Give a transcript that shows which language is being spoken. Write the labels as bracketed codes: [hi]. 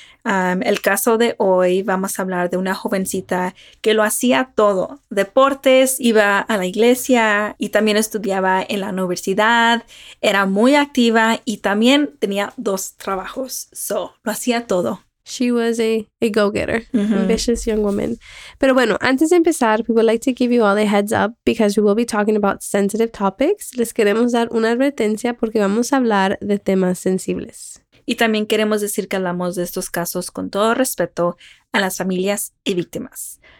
[es] El caso de hoy, vamos a hablar de una jovencita que lo hacía todo. Deportes, iba a la iglesia y también estudiaba en la universidad. Era muy activa y también tenía dos trabajos. So, lo hacía todo. [en] She was a go-getter, mm-hmm. Ambitious young woman. [es] Pero bueno, antes de empezar, [en] we would like to give you all a heads up because we will be talking about sensitive topics. [es] Les queremos dar una advertencia porque vamos a hablar de temas sensibles. Y también queremos decir que hablamos de estos casos con todo respeto a las familias y víctimas.